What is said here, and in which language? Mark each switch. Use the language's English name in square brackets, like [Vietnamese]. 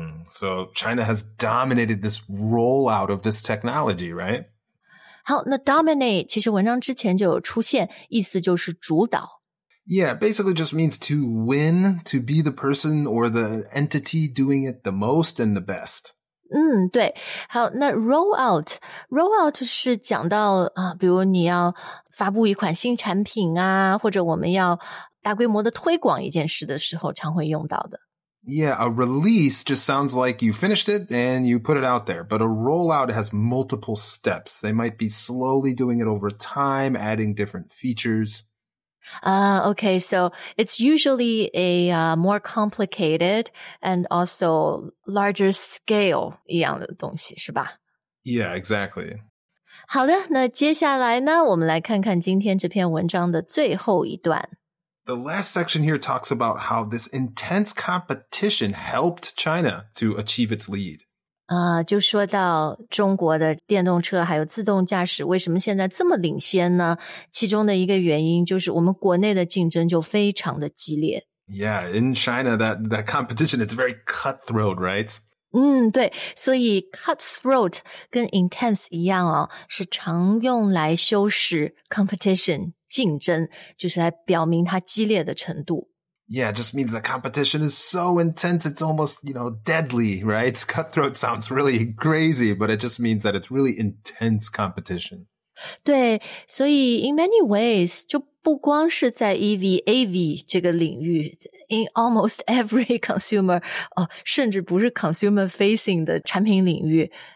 [English] So China has dominated this rollout of this technology, right? [Chinese] 好，那 dominate 其实文章之前就有出现，意思就是主导。 [English] Yeah, basically just means to win, to be the person or the entity doing it the most and the best. [Chinese] 嗯，对。好，那 roll out 是讲到啊，比如你要发布一款新产品啊，或者我们要大规模的推广一件事的时候常会用到的。 [English] Yeah, a release just sounds like you finished it and you put it out there. But a rollout has multiple steps. They might be slowly doing it over time, adding different features. Okay, so it's usually a more complicated and also larger scale [Chinese] 一样的东西，是吧？ [English] Yeah, exactly. [Chinese] 好的，那接下来呢，我们来看看今天这篇文章的最后一段。 [English] The last section here talks about how this intense competition helped China to achieve its lead. [Chinese] 就说到中国的电动车还有自动驾驶为什么现在这么领先呢？其中的一个原因就是我们国内的竞争就非常的激烈。 [English] Yeah, in China, that competition is very cutthroat, right? [Chinese] 嗯，对，所以 cutthroat 跟 intense 一样哦，是常用来修饰 competition。竞争就是来表明它激烈的程度。 [English] Yeah, it just means the competition is so intense, it's almost, you know, deadly, right? Cutthroat sounds really crazy, but it just means that it's really intense competition. [Chinese] 对，所以 [English] in many ways, [Chinese] 就不光是在 EV, AV 这个领域 , [English] in almost every consumer, [Chinese] 甚至不是 consumer facing 的产品领域。